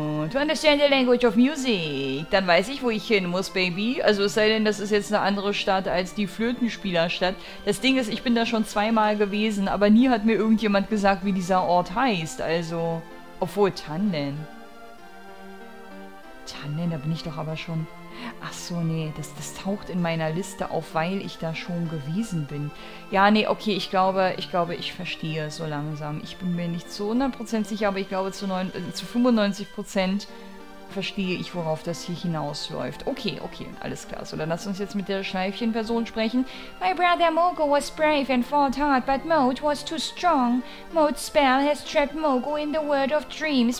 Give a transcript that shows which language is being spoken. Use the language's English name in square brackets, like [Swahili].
[English] to understand the language of music. [German] Dann weiß ich, wo ich hin muss, Baby. Also es sei denn, das ist jetzt eine andere Stadt als die Flötenspielerstadt. Das Ding ist, ich bin da schon zweimal gewesen, aber nie hat mir irgendjemand gesagt, wie dieser Ort heißt. Also, obwohl, Tannen, da bin ich doch aber schon... Ach so, nee, das taucht in meiner Liste auf, weil ich da schon gewesen bin. Ja, nee, okay, ich glaube, ich verstehe so langsam. Ich bin mir nicht zu 100% sicher, aber ich glaube, zu 95% verstehe ich, worauf das hier hinausläuft. Okay, alles klar. So, dann lass uns jetzt mit der Schleifchenperson sprechen. [English] My brother Mogu was brave and fought hard, but Mode was too strong. Mode's spell has trapped Mogu in the world of dreams.